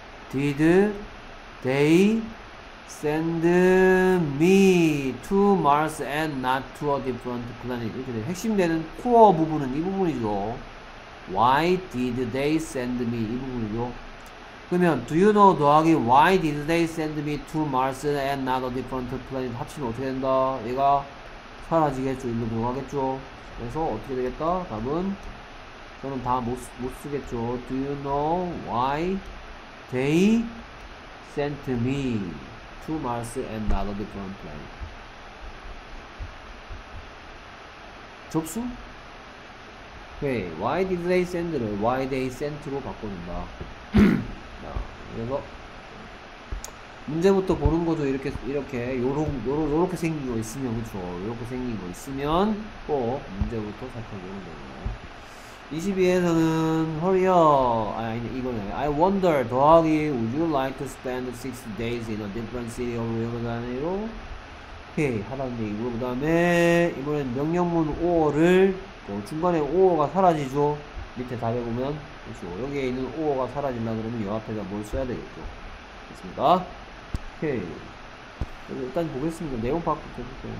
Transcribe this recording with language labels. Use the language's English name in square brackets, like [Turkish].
[English] Did they send me to Mars and not to a different planet? [Korean] 이렇게 핵심되는 코어 부분은 이 부분이죠. [English] Why did they send me? [Korean] 이 부분이죠. 그러면 [English] Do you know [Korean] 더하기 [English] Why did they send me to Mars and not a different planet? [Korean] 합치면 어떻게 된다? 얘가 사라지겠죠. 일로 들어가겠죠. 그래서 어떻게 되겠다? 답은 저는 다 못 쓰겠죠. [English] Do you know why they sent me to Mars and not a different planet? [Korean] 접수? [English] Okay. Why did they send를 why they sent로 [Korean] 바꿔준다. 자, 그래서 문제부터 보는 거죠. 이렇게 요렇게 생긴 거 있으면 그렇죠. 요렇게 생긴 거 있으면 꼭 문제부터 살펴보는 거예요. 22에서는 [English] hurry up. [Korean] 아니 이거네. [English] I wonder [Korean] 더하기 [English] would you like to spend 6 days in a different city of Rio de Janeiro? [Korean] 오케이 하라는데 이거 그다음에 이번엔 명령문 or를 중간에 or가 사라지죠. 밑에 답에 보면 그렇죠. 여기에 있는 or가 사라진다 그러면 요 앞에다 뭘 써야 되겠죠. 됐습니다. 오케이. 일단 보겠습니다. 내용 파악부터 해볼게요.